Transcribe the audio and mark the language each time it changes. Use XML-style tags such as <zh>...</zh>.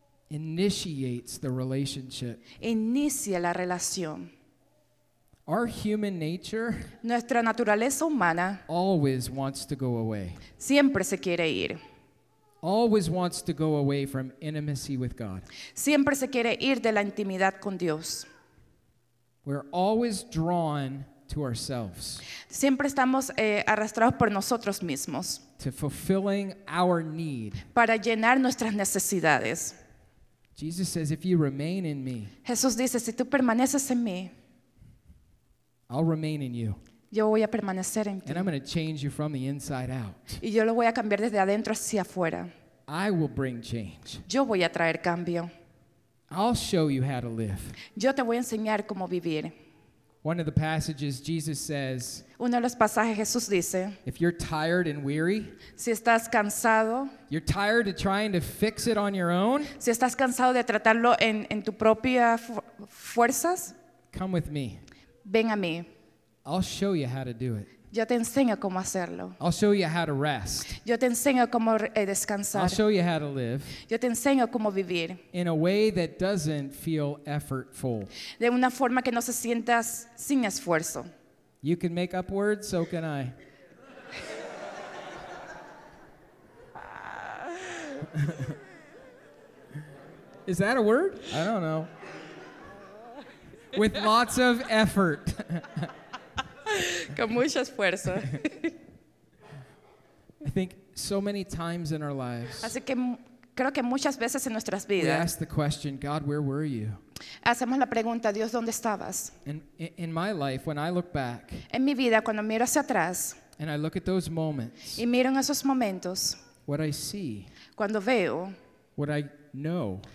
<en>Initiates the relationship.</en> <es>Inicia la relación.</es> <en>Our human nature,</en> <es>nuestra naturaleza humana,</es> <en>always wants to go away.</en> <es>Siempre se quiere ir.</es> <en>Always wants to go away from intimacy with God.</en> <es>Siempre se quiere ir de la intimidad con Dios.</es> <en>We're always drawn to ourselves.</en> <es>Siempre estamos arrastrados por nosotros mismos.</es> <en>To fulfilling our need.</en> <es>Para llenar nuestras necesidades.</es> <en>Jesus says, if you remain in me,</en> <es>Jesús dice, si tú permaneces en mí,</es> <en>I'll remain in you.</en> <es>Yo voy a permanecer en ti.</es> <en>And I'm going to change you from the inside out.</en> <es>Y yo lo voy a cambiar desde adentro hacia afuera.</es> <en>I will bring change.</en> <es>Yo voy a traer cambio.</es> <en>I'll show you how to live.</en> <es>Yo te voy a enseñar cómo vivir.</es> <en>One of the passages Jesus says,</en> <es>uno de los pasajes Jesús dice,</es> <en>if you're tired and weary,</en> <es>si estás cansado,</es> <en>you're tired of trying to fix it on your own,</en> <es>si estás cansado de tratarlo en tu propia fuerzas,</es> <en>come with me.</en> <es>Ven a mí.</es> <en>I'll show you how to do it.</en> <es>Yo te enseño cómo hacerlo.</es> <en>I'll show you how to rest.</en> <es>Yo te enseño cómo descansar.</es> <en>I'll show you how to live.</en> <es>Yo te enseño cómo vivir.</es> <en>In a way that doesn't feel effortful.</en> <es>De una forma que no se sientas sin esfuerzo.</es> <en>You can make up words, so can I. Is that a word? I don't know. With lots of effort.</en> <es>Con mucho esfuerzo.</es> <en>I think so many times in our lives.</en> <es>Así que creo que muchas veces en nuestras vidas.</es> <en>We ask the question, God, where were you?</en> <es>Hacemos la pregunta, Dios, ¿dónde estabas?</es> <en>In my life, when I look back.</en> <es>En mi vida, cuando miro hacia atrás.</es> <en>And I look at those moments.</en> <es>Y miro en esos momentos.</es> <en>What I see.</en> <es>Cuando veo.</es> <en>What I know.</en>